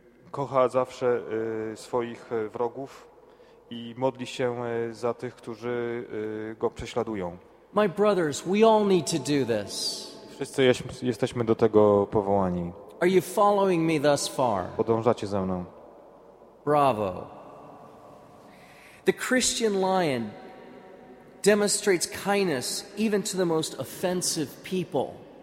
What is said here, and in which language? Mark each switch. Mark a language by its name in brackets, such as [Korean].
[Polish] Kocha zawsze swoich wrogów i modli się za tych, którzy go prześladują. [English] My brothers, we all need to do this. [Polish] Wszyscy jesteśmy do tego powołani. [English] Are you following me thus far? [Polish] Podążacie ze mną. [English] Bravo. The Christian lion demonstrates kindness even to the most offensive people.